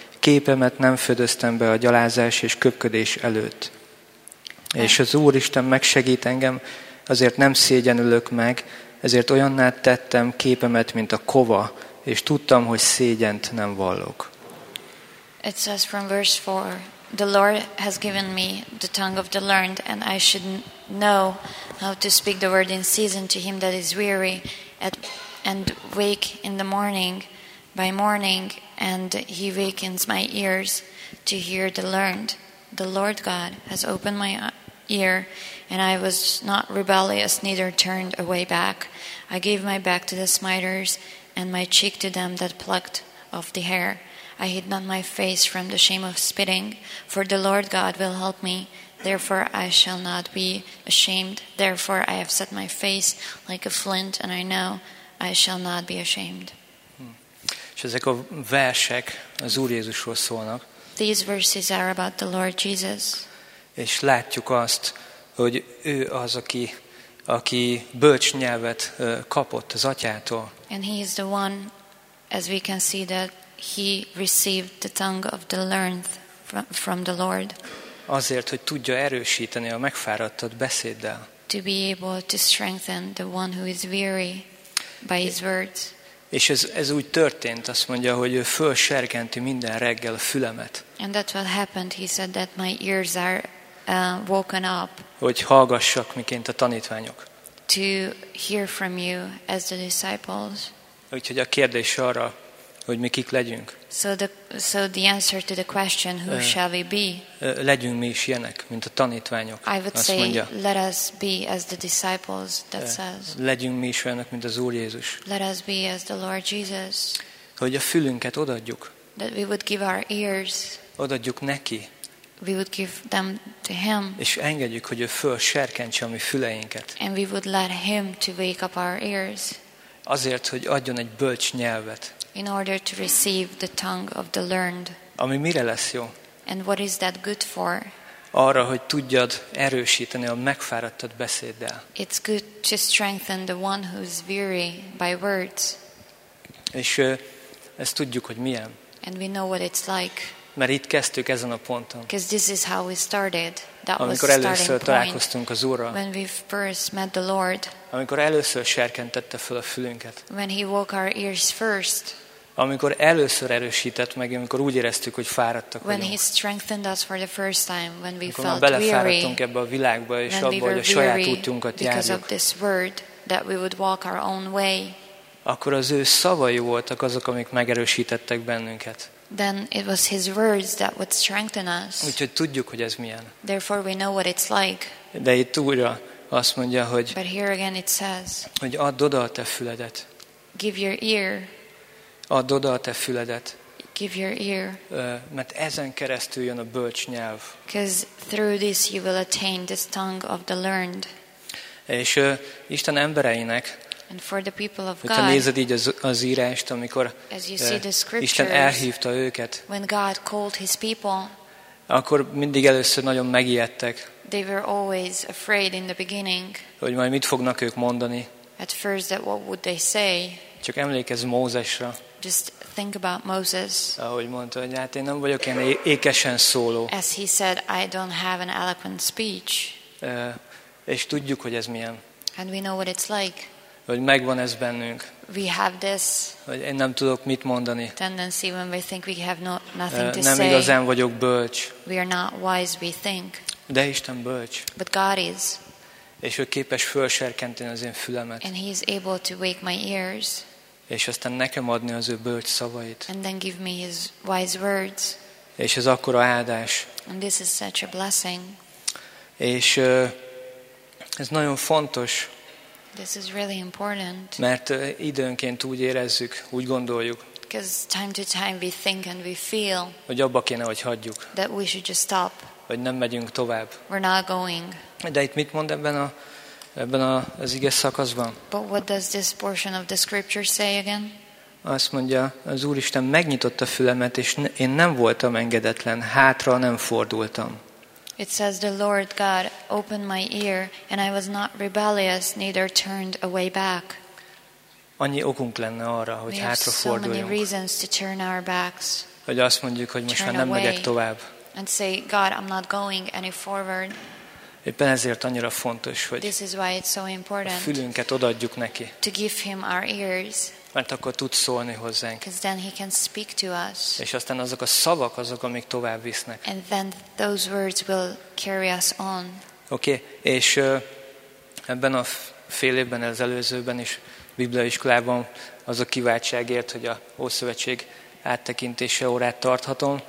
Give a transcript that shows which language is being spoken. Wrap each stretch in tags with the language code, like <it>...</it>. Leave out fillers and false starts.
<hu>Képemet nem födöztem be a gyalázás és köpködés előtt. És az Úristen megsegít engem, azért nem szégyenülök meg, ezért olyanná tettem képemet, mint a kova, és tudtam, hogy szégyent nem vallok.</hu> <en>It says from verse 4. The Lord has given me the tongue of the learned, and I should know how to speak the word in season to him that is weary and wake in the morning by morning, and he wakens my ears to hear the learned. The Lord God has opened my ear, and I was not rebellious, neither turned away back. I gave my back to the smiters and my cheek to them that plucked off the hair. I hid not my face from the shame of spitting, for the Lord God will help me. Therefore I shall not be ashamed. Therefore I have set my face like a flint, and I know I shall not be ashamed.</en> <hu>És ezek a versek az Úr Jézusról szólnak.</hu> <en>These verses are about the Lord Jesus.</en> <hu>És látjuk azt, hogy ő az, aki bölcs nyelvet kapott az atyától.</hu> <en>And he is the one, as we can see that, he received the tongue of the learned from the Lord.</en> <hu>Azért, hogy tudja erősíteni a megfáradtat beszéddel.</hu> <en>To be able to strengthen the one who is weary by his words.</en> <hu>És ez úgy történt, azt mondja, hogy ő fölserkenti minden reggel a fülemet.</hu> <en>And that's what happened. He said that my ears are woken up.</en> <hu>Hogy hallgassak, miként a tanítványok.</hu> <en>To hear from you as the disciples.</en> <hu>Úgyhogy a kérdés arra hogy mi kik legyünk.</hu> <en>So the answer to the question, who shall we be?</en> <hu>Legyünk mi is ilyenek, mint a tanítványok.</hu> <en>I would say, let us be as the disciples, that says.</en> <hu>Legyünk mi is olyanok, mint az Úr Jézus.</hu> <en>Let us be as the Lord Jesus.</en> <hu>Hogy a fülünket odaadjuk.</hu> <en>That we would give our ears.</en> <hu>Odaadjuk neki.</hu> <en>We would give them to him.</en> <hu>És engedjük, hogy ő felserkentse a mi füleinket.</hu> <en>And we would let him to wake up our ears.</en> <hu>Azért, hogy adjon egy bölcs nyelvet.</hu> <en>In order to receive the tongue of the learned.</en> <hu>Ami mire lesz jó?</hu> <en>And what is that good for?</en> <hu>Arra, hogy tudjad erősíteni a megfáradtad beszéddel.</hu> <en>It's good to strengthen the one who's weary by words.</en> <hu>És ezt tudjuk, hogy milyen.</hu> <en>And we know what it's like.</en> <hu>Mert itt kezdtük ezen a ponton.</hu> <en>Because this is how we started. That</en> <hu>amikor először találkoztunk az Úrral.</hu> <en>When we first met the Lord.</en> <hu>Amikor először serkentette fel a fülünket.</hu> <en>When he woke our ears first.</en> <hu>Amikor először erősített meg, amikor úgy éreztük, hogy fáradtak</hu> <en>when</en> <hu>vagyunk.</hu> <en>When he strengthened us for the first time, when we</en> <hu>amikor</hu> <en>felt weary.</en> <hu>Amikor belefáradtunk ebbe a világba, és abba, hogy a saját útjunkat járjuk.</hu> <en>Because of this word, that we would walk our own way.</en> <hu>Akkor az ő szavai voltak azok, amik megerősítettek bennünket.</hu> <en>Then it was his words that would strengthen us.</en> <hu>Úgyhogy tudjuk, hogy ez milyen.</hu> <en>Therefore we know what it's like.</en> <hu>De itt újra azt mondja, hogy</hu> <en>but here again it says,</en> <hu>hogy add oda a te füledet.</hu> <en>Give your ear.</en> <hu>Add oda a te füledet.</hu> <en>Give your ear.</en> <hu>Mert ezen keresztül jön a bölcs nyelv.</hu> <en>Because through this you will attain this tongue of the learned.</en> <hu>És Isten embereinek</hu> <en>and for the people of God,</en> <hu>nézed így az írást, amikor Isten elhívta őket,</hu> <en>when God called his people,</en> <hu>akkor mindig először nagyon megijedtek,</hu> <en>they were always afraid in the beginning,</en> <hu>hogy majd mit fognak ők mondani.</hu> <en>At first, that what would they say?</en> <hu>Csak emlékezz Mózesra.</hu> <en>Just think about Moses.</en> <hu>Ahogy mondta, hogy hát én nem vagyok ilyen ékesen szóló.</hu> <en>As he said, I don't have an eloquent speech.</en> <hu>És tudjuk, hogy ez milyen.</hu> <en>And we know what it's like.</en> <hu>Hogy megvan ez bennünk.</hu> <en>We have this.</en> <hu>Hogy én nem tudok mit mondani.</hu> <en>Tendency when we think we have nothing to say.</en> <hu>Nem igazán vagyok bölcs.</hu> <en>We are not wise, we think.</en> <hu>De Isten bölcs.</hu> <en>But God is.</en> <hu>És ő képes felserkenteni az én fülemet.</hu> <en>And he is able to wake my ears.</en> <hu>És aztán nekem adni az ő bölcs szavait.</hu> <en>And then give me his wise words.</en> <hu>És ez akkora áldás.</hu> <en>And this is such a blessing.</en> <hu>És ez nagyon fontos.</hu> <en>This is really important.</en> <hu>Mert időnként úgy érezzük, úgy gondoljuk.</hu> <en>Because time to time we think and we feel.</en> <hu>Hogy abba kéne, hogy hagyjuk.</hu> <en>That we should just stop.</en> <hu>Hogy nem megyünk tovább.</hu> <en>We're not going.</en> <hu>De itt mit mond ebben az ige szakaszban?</hu> <en>But what does this portion of the scripture say again?</en> <hu>Azt mondja, az Úristen megnyitotta fülemet, és én nem voltam engedetlen, hátra nem fordultam.</hu> <en>It says the Lord God opened my ear and I was not rebellious neither turned away back.</en> <hu>Annyi okunk lenne arra, hogy hátra forduljunk.</hu> <en>We have so many reasons to turn our backs.</en> <hu>Hogy azt mondjuk, hogy most már nem megyek tovább.</hu> <en>And say God, I'm not going any forward.</en> <hu>Éppen ezért annyira fontos, hogy</hu> <en>this is why it's so important.</en> <hu>A fülünket odaadjuk neki.</hu> <en>To give him our ears.</en> <hu>Mert akkor tud szólni hozzánk.</hu> <en>Because then he can speak to us.</en> <hu>És aztán azok a szavak azok, amik tovább visznek.</hu> <en>And then those words will carry us on. Okay.</en> <hu>És ebben a fél évben, az előzőben is bibliaiskolában az a kiváltságért, hogy a Ószövetség áttekintése órát tarthatom.</hu>